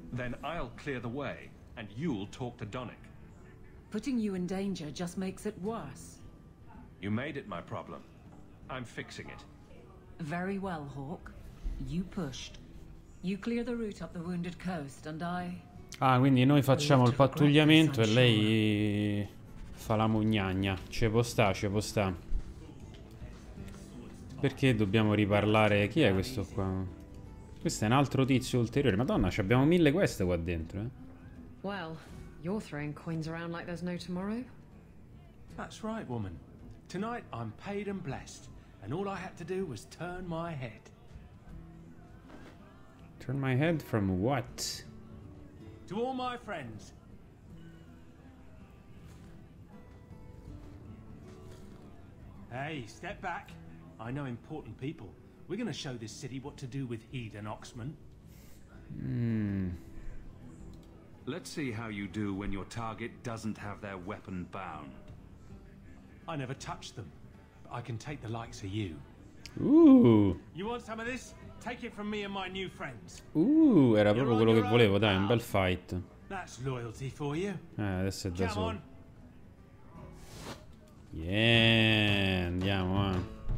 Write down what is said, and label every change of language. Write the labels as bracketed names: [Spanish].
[English] Then I'll clear the way, and you'll talk to Donnick. Putting you in danger just makes it worse. You made it my problem. I'm fixing it. Very well, Hawk. You pushed. You clear the route up the wounded coast and I... [Italian] Ah, quindi noi facciamo il pattugliamento e lei fa la mugnagna. Ce può sta, ce può sta. Perché dobbiamo riparlare? Chi è questo qua? Questo è un altro tizio ulteriore. Madonna, ci abbiamo mille queste qua dentro, eh. [English] Well, you're throwing coins around like there's no tomorrow. That's right, woman. Tonight I'm paid and blessed and all I had to do was turn my head. Turn my head from what? To all my friends. Hey, step back. I know important people. We're gonna show this city what to do with heathen oxmen. Let's see how you do when your target doesn't have their weapon bound. I never touched them, but I can take the likes of you. Ooh. You want some of this? Take it from me and my new friends. [Italian] Era proprio quello che volevo, dai, un bel fight. [English] That's loyalty for you. [Italian] Adesso è da solo. Yeah, andiamo, eh.